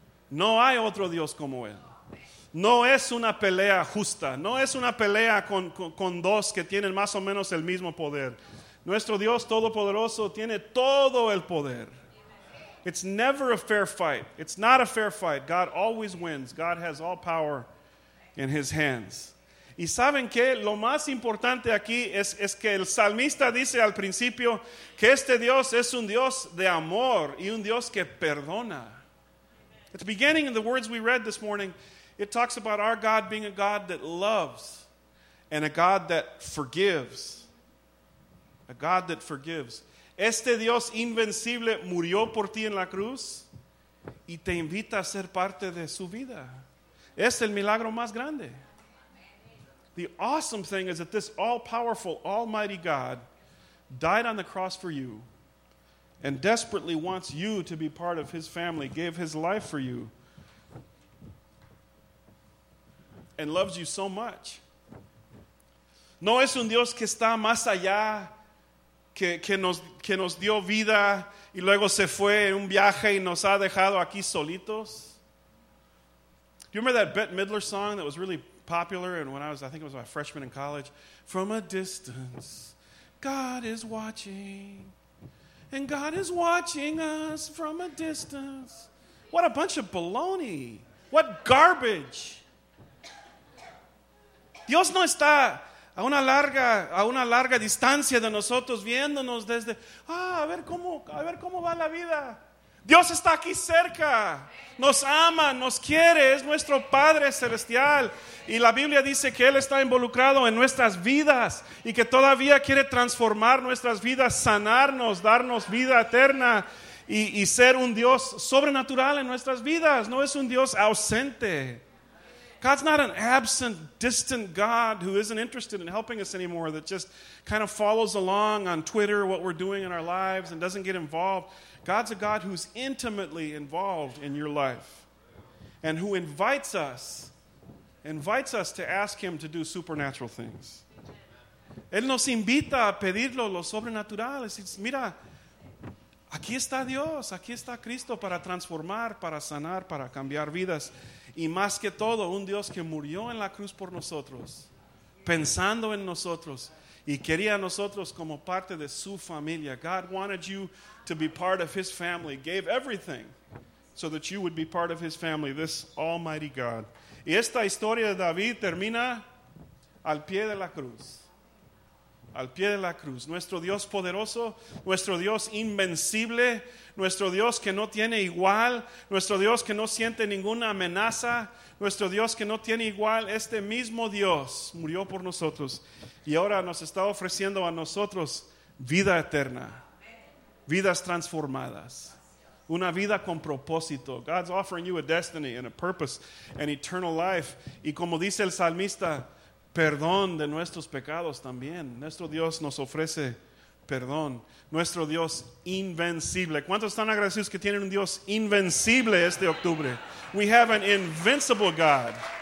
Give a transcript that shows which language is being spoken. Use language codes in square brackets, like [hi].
[es] No hay otro Dios como él. No es una pelea justa. No es una pelea con dos que tienen más o menos el mismo poder. Nuestro Dios Todopoderoso tiene todo el poder. [en] It's never a fair fight. It's not a fair fight. God always wins. God has all power in his hands. [es] Y saben que lo más importante aquí es que el salmista dice al principio que este Dios es un Dios de amor y un Dios que perdona. [en] At the beginning, in the words we read this morning, it talks about our God being a God that loves and a God that forgives. A God that forgives. [es] Este Dios invencible murió por ti en la cruz y te invita a ser parte de su vida. Es el milagro más grande. [en] The awesome thing is that this all-powerful, almighty God died on the cross for you and desperately wants you to be part of his family, gave his life for you, and loves you so much. [es] No es un Dios que está más allá, que nos dio vida y luego se fue en un viaje y nos ha dejado aquí solitos. [en] You remember that Bette Midler song that was really popular, and when I think it was my freshman in college? From a distance, God is watching, and God is watching us from a distance. What a bunch of baloney. What garbage. [es] Dios no está a una larga distancia de nosotros, viéndonos desde, a ver cómo va la vida. Dios está aquí cerca, nos ama, nos quiere, es nuestro Padre Celestial. Y la Biblia dice que Él está involucrado en nuestras vidas y que todavía quiere transformar nuestras vidas, sanarnos, darnos vida eterna y ser un Dios sobrenatural en nuestras vidas. No es un Dios ausente. [en] God's not an absent, distant God who isn't interested in helping us anymore, that just kind of follows along on Twitter what we're doing in our lives and doesn't get involved. God's a God who's intimately involved in your life and who invites us to ask him to do supernatural things. [es] Él nos invita a pedirlo lo sobrenatural. Mira, aquí está Dios, aquí está Cristo para transformar, para sanar, para cambiar vidas. Y más que todo, un Dios que murió en la cruz por nosotros, pensando en nosotros, y quería a nosotros como parte de su familia. [en] God wanted you to be part of his family, gave everything so that you would be part of his family, this almighty God. [es] Y esta historia de David termina al pie de la cruz. Al pie de la cruz. Nuestro Dios poderoso, nuestro Dios invencible, nuestro Dios que no tiene igual, nuestro Dios que no siente ninguna amenaza, nuestro Dios que no tiene igual, este mismo Dios murió por nosotros y ahora nos está ofreciendo a nosotros vida eterna, vidas transformadas, una vida con propósito. [en] God's offering you a destiny and a purpose and eternal life. [es] Y como dice el salmista, perdón de nuestros pecados también. Nuestro Dios nos ofrece perdón. Nuestro Dios invencible. ¿Cuántos están agradecidos que tienen un Dios invencible este octubre? [en] We have an invincible God.